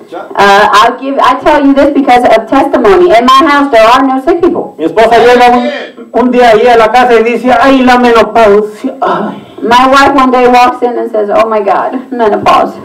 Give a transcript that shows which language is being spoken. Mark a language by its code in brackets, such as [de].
[en] I tell you this because of testimony. In my house, there are no sick people. [es] Mi esposa llega un día ahí a la casa y dice, ay, la menopausia. Ay. [en] My wife one day walks in and says, oh my God, menopause.